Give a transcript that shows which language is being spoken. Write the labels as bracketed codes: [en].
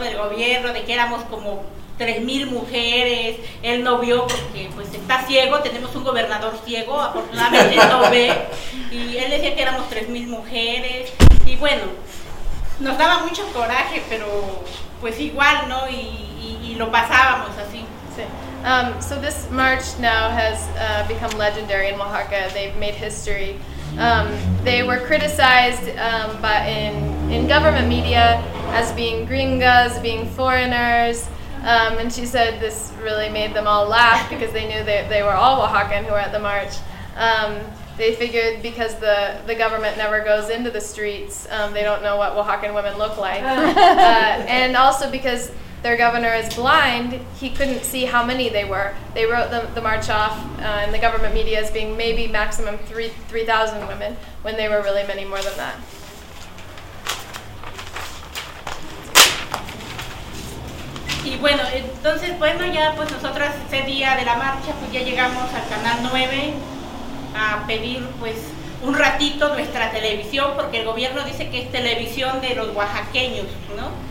[es] Del gobierno, de que éramos como 3,000 mujeres, él no vio porque pues está ciego, tenemos un gobernador ciego, afortunadamente no ve, y él decía que éramos 3,000 mujeres, y bueno, nos daba mucho coraje, pero pues igual, ¿no? Y lo pasábamos así. [en] So this march now has become legendary in Oaxaca. They've made history. They were criticized but in government media as being gringas, being foreigners, and she said this really made them all laugh because they knew they were all Oaxacan who were at the march. They figured because the government never goes into the streets, they don't know what Oaxacan women look like. And also because their governor is blind, he couldn't see how many they were. They wrote the march off in the government media as being maybe maximum 3,000 women, when they were really many more than that. [es] Y bueno, entonces, bueno, ya pues nosotras ese día de la marcha, pues ya llegamos al Canal 9 a pedir pues un ratito nuestra televisión, porque el gobierno dice que es televisión de los oaxaqueños, ¿no?